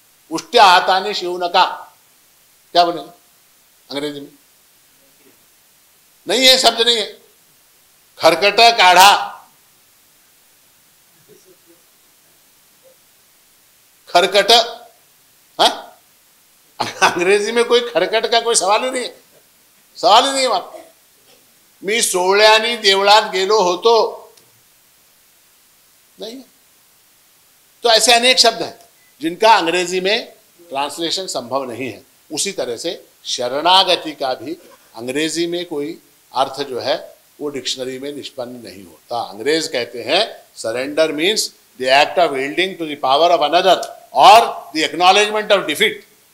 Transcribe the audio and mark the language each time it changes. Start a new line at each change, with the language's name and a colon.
Marathi: उष्ट हाथाने शिव नका,
Hindi: क्या बोलेंगे अंग्रेजी में? नहीं है शब्द, नहीं है।
Marathi: खरकटा काढ़ा,
Hindi: खरकट है अंग्रेजी में? कोई खरकट का कोई सवाल ही नहीं है, सवाल ही नहीं है।
Marathi: मी सोहळ्यांनी देवळात गेलो होतो,
Hindi: नहीं। तो ऐसे अनेक शब्द हैं जिनका अंग्रेजी में ट्रांसलेशन संभव नहीं है। उसी तरह से शरणागति का भी अंग्रेजी में कोई अर्थ जो है वो डिक्शनरी में निष्पन्न नहीं होता। अंग्रेज कहते हैं
English: Surrender means the act of yielding to the power of another और the acknowledgement of defeat.